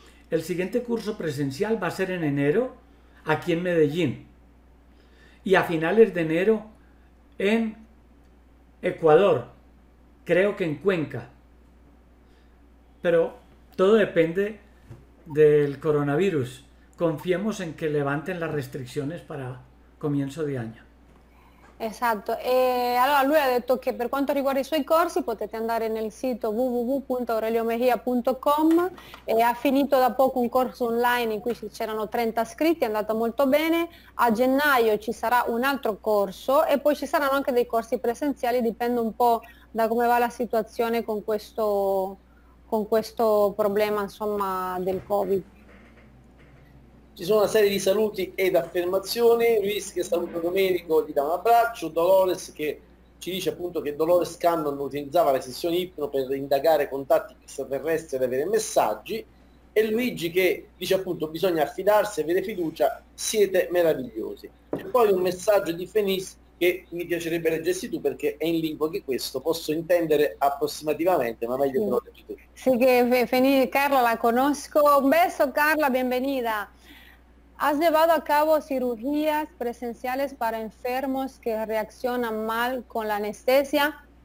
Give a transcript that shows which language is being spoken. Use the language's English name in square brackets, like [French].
[Spanish] El siguiente curso presencial va a ser en enero aquí en Medellín y a finales de enero en Ecuador, creo que en Cuenca. Pero todo depende del coronavirus. Confiemos en que levanten las restricciones para comienzo de año. Exacto. [Italian] Allora lui ha detto che per quanto riguarda i suoi corsi potete andare nel sito www.aureliomejia.com. Ha finito da poco un corso online in cui c'erano 30 iscritti, è andato molto bene. A gennaio ci sarà un altro corso e poi ci saranno anche dei corsi presenziali, dipende un po' da come va la situazione con questo problema, insomma, del Covid. Ci sono una serie di saluti ed affermazioni. Luis che saluta Domenico, gli dà un abbraccio. Dolores che ci dice appunto che Dolores Cannon utilizzava le sessioni ipno per indagare contatti extraterrestri ed avere messaggi. E Luigi che dice appunto bisogna affidarsi e avere fiducia, siete meravigliosi. E poi un messaggio di Fenis che mi piacerebbe leggersi tu perché è in lingua che questo, posso intendere approssimativamente, ma meglio che lo leggi tu. Sì, che Fenis, Carla la conosco. [Spanish] Un beso Carla, benvenida. ¿Has llevado a cabo cirugías presenciales para enfermos que reaccionan mal con la anestesia?